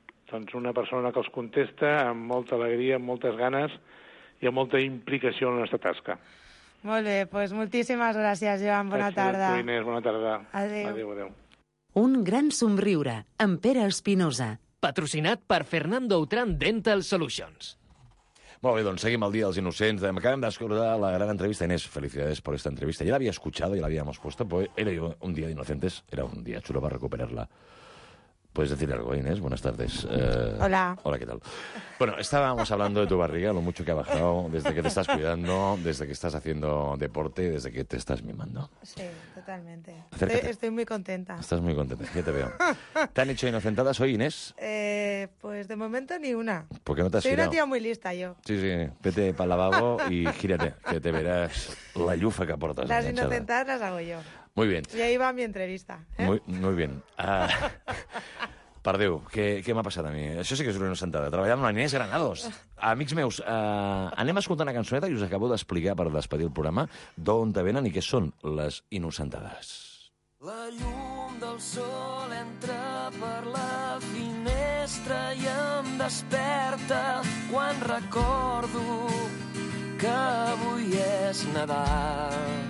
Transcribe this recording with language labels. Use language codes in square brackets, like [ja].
[ca] Doncs una persona que els contesta amb molta alegria, amb moltes ganes i amb molta implicació en la nostra tasca. Molt bé, doncs moltíssimes gràcies, Joan. Bona gràcies, tarda. Gràcies, Inés. Bona tarda. Adéu. Adéu, adéu. Un gran somriure, amb Pere Espinosa. Patrocinat per Fernando Outran Dental Solutions. Molt bé, doncs seguim el Dia dels Innocents. Acabem d'escoltar la gran entrevista. [es] Inés, felicidades por esta entrevista. Ja l'havia escuchado, ja l'havíamos puesto. Pues era un Día de Inocentes, era un día chulo para recuperarla. ¿Puedes decir algo, Inés? Buenas tardes. Hola. Hola, ¿qué tal? Bueno, estábamos hablando de tu barriga, lo mucho que ha bajado desde que te estás cuidando, desde que estás haciendo deporte, desde que te estás mimando. Sí, totalmente. Estoy muy contenta. Estás muy contenta, ya te veo. ¿Te han hecho inocentadas hoy, Inés? Pues de momento ni una. ¿Por qué no te has Soy girado? Soy una tía muy lista, yo. Sí, sí, vete para el lavabo y gírate, que te verás la llufa que aportas. Las inocentadas las hago yo. Muy bien. Y ahí va mi entrevista. ¿Eh? Muy bien. [ca] Pardeu, què m'ha passat a mi? Això sí que és una sentada. Treballant amb la Inés Granados. Amics meus, anem a escoltar una cançoneta i us acabo d'explicar, per despedir el programa, d'on te venen i què són les innocentades. La llum del sol entra per la finestra i em desperta quan recordo que avui és Nadal.